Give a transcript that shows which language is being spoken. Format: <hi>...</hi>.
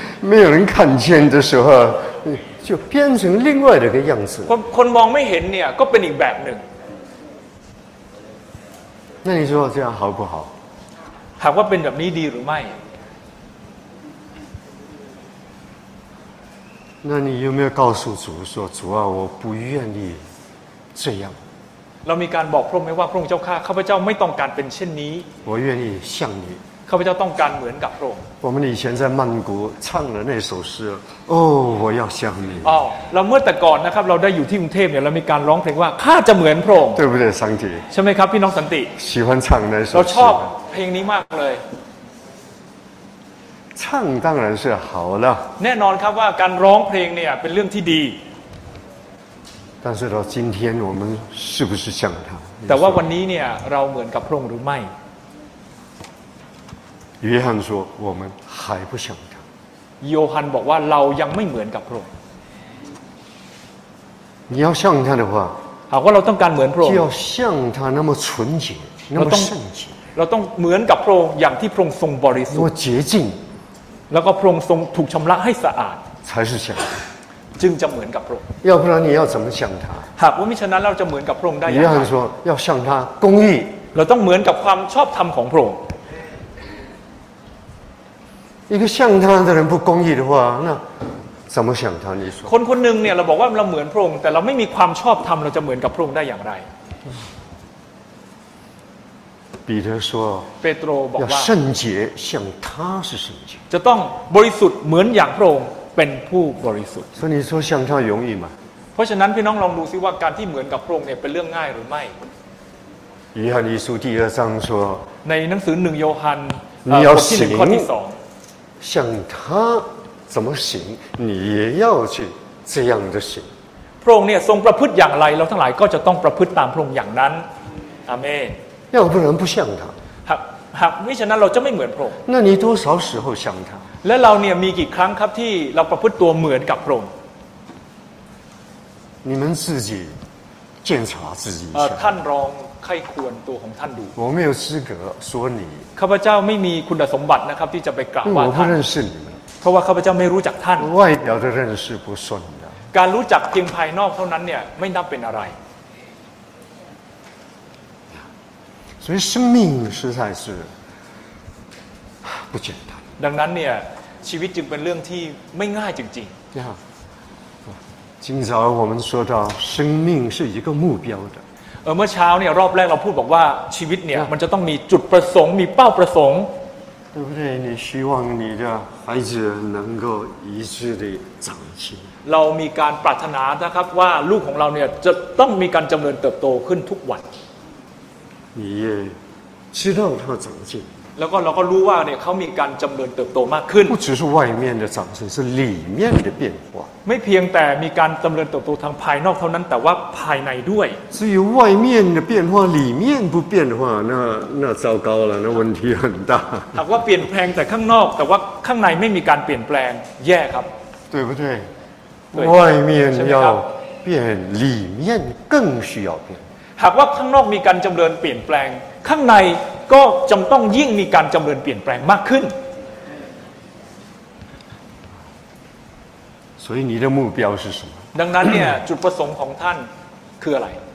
<zh>没有人看见的时候就变成另外的一个样子</zh> <th>คนมองไม่เห็นเนี่ยก็เป็นอีกแบบหนึ่ง</th> <zh>那你说这样好不好</zh> <th>หากว่าเป็นแบบนี้ดีหรือไม่</th> <zh>那你有没有告诉主说主啊我不愿意这样</zh> <th>เรามีการบอกพระองค์ไหมว่าพระองค์เจ้าข้าข้าพเจ้าไม่ต้องการเป็นเช่นนี้</th> <zh>我愿意像你</zh> <th>ข้าพเจ้าต้องการเหมือนกับพระองค์</th> <zh>我们以前在曼谷唱了那首诗哦我要像你</zh> <th>哦เราเมื่อแต่ก่อนนะครับเราได้อยู่ที่กรุงเทพเนี่ยเรามีการร้องเพลงว่าข้าจะเหมือนพระองค์</th> <zh>对不对สันติ</zh> <th>ใช่ไหมครับพี่น้องสันติ</th> <zh>喜欢唱那首诗</zh> <th>เราชอบเพลงนี้มากเลย</th> <zh>唱当然是好了</zh> <th>แน่นอนครับว่าการร้องเพลงเนี่ยเป็นเรื่องที่ดี</th> <zh>但是到今天我们是不是像他</zh> <th>แต่ว่าวันนี้เนี่ยเราเหมือนกับพระองค์หรือไม่</th> <zh>约翰说我们还不像他，</zh> <th>โยฮันบอกว่าเรายังไม่เหมือนกับพระองค์</th> <zh>你要像他的话</zh> <th>หากว่าเราต้องการเหมือนพระองค์</th> <zh>就要像他那么纯洁那么圣洁</zh> <th>เราต้องเหมือนกับพระองค์อย่างที่พระองค์ทรงบริสุทธิ์</th> <zh>我洁净</zh> <th>แล้วก็พระองค์ทรงถูกชำระให้สะอาด</th> <zh>才是像他</zh> <th>จึงจะเหมือนกับพระองค์</th> <zh>要不然你要怎么像他</zh> <th>หากว่าไม่ฉะนั้นเราจะเหมือนกับพระองค์ได้อย่างไร ยันว่า</th> <zh>要像他公义</zh> <th>เราต้องเหมือนกับความชอบธรรมของพระองค์</th> <zh>一个像他的人不公义的话那怎么像他你说</zh> <th>คนคนนึงเนี่ยเราบอกว่าเราเหมือนพระองค์แต่เราไม่มีความชอบธรรมเราจะเหมือนกับพระองค์ได้อย่างไร</th> <zh>彼得说</zh> <th>เปโตรบอกว่า</th> <zh>要圣洁像他是圣洁</zh> <th>จะต้องบริสุทธิ์เหมือนอย่างพระองค์เป็นผู้บริสุทธิ์</th> <zh>所以你说像他容易吗</zh> <th>เพราะฉะนั้นพี่น้องลองดูซิว่าการที่เหมือนกับพระองค์เนี่ยเป็นเรื่องง่ายหรือไม่</th> <zh>约翰一书第二章说</zh> <th>ในหนังสือ1โยฮัน ข้อที่1ข้อที่2</th> <zh>像他怎么行你也要去这样的行</zh> <th>พระองค์เนี่ยทรงประพฤติอย่างไรเราทั้งหลายก็จะต้องประพฤติตามพระองค์อย่างนั้นอาเมน</th> <zh>要不然不像他</zh> <th>หากไม่ฉะนั้นเราจะไม่เหมือนพระองค์</th> <zh>那你多少时候像他</zh> <th>และเราเนี่ยมีกี่ครั้งครับที่เราประพฤติตัวเหมือนกับพระองค์</th> <zh>你们自己检查自己一下</zh> <th>ท่านลองไขควนตัวของท่านดู</th> <zh>我没有资格说你</zh> <th>ข้าพเจ้าไม่มีคุณสมบัตินะครับที่จะไปกล่าวว่าท่าน ผมไม่รู้จักคุณ เพราะว่าข้าพเจ้าไม่รู้จักท่าน</th> <zh>外表的认识不算的</zh> <th>การรู้จักเพียงภายนอกเท่านั้นเนี่ยไม่นับเป็นอะไร</th> <zh>所以生命实在是不简单</zh> <th>ดังนั้นเนี่ยชีวิตจึงเป็นเรื่องที่ไม่ง่ายจริง</th> <zh>ๆ今早我们说到生命是一个目标的</zh> <th>เมื่อเช้าเนี่ยรอบแรกเราพูดบอกว่าชีวิตเนี่ยมันจะต้องมีจุดประสงค์มีเป้าประสงค์</th> <zh>对不对你希望你的孩子能够一致地长进</zh> <th>เรามีการปรารถนานะครับว่าลูกของเราเนี่ยจะต้องมีการเจริญเติบโตขึ้นทุกวัน</th> <zh>你也知道他长进</zh> <th>แล้วก็เราก็รู้ว่าเนี่ยเขามีการเจริญเติบโตมากขึ้น</th> <zh>不只是外面的长进，是里面的变化。</zh> <th>ไม่เพียงแต่มีการเจริญเติบโตทางภายนอกเท่านั้นแต่ว่าภายในด้วย</th> <zh>至于外面的变化，里面不变化，那糟糕了，那问题很大。</zh> <th>หากว่าเปลี่ยนแปลงแต่ข้างนอกแต่ว่าข้างในไม่มีการเปลี่ยนแปลงแย่ครับ</th> <zh>对不对？外面要变，里面更需要变。</zh> <th>หากว่าข้างนอกมีการเจริญเปลี่ยนแปลงข้างในก็จำต้องยิ่งมีการเจริญเปลี่ยนแปลงมากขึ้น</th> <zh>所以你的目标是什么</zh> <th>ดังนั้นเนี่ย จุดประสงค์ของท่านคืออะไร</th>